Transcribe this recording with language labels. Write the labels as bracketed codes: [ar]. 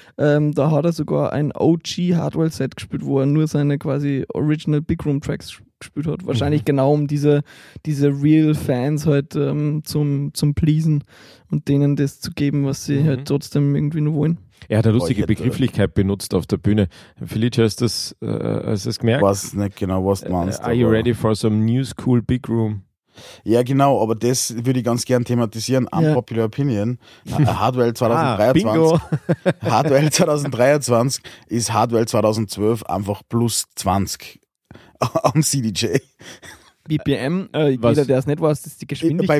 [de] Da hat er sogar ein OG Hardwell Set gespielt, wo er nur seine quasi Original Big Room Tracks gespielt hat. Wahrscheinlich genau um diese Real Fans halt zum Pleasen und denen das zu geben, was sie halt trotzdem irgendwie noch wollen. Er hat eine lustige Begrifflichkeit benutzt auf der Bühne. Felice, hast du es gemerkt? Was nicht genau, was du meinst. [en] Are you ready for some new school big room? [de] Ja, genau, aber das würde ich ganz gern thematisieren. [en] Unpopular Opinion. Hardwell 2023. [de] Bingo. Hardwell 2023 ist Hardwell 2012 einfach plus 20 am CDJ. BPM, jeder, der es nicht weiß, ist die Geschwindigkeit.